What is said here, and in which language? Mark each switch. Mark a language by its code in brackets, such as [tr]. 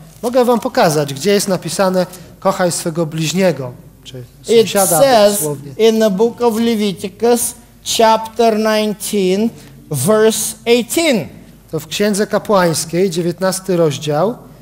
[pl] Mogę wam pokazać, gdzie jest napisane kochaj swego bliźniego, czy sąsiada. [en] It says in the book of Leviticus, chapter 19, verse 18. [pl] To w Księdze Kapłańskiej, 19 rozdział,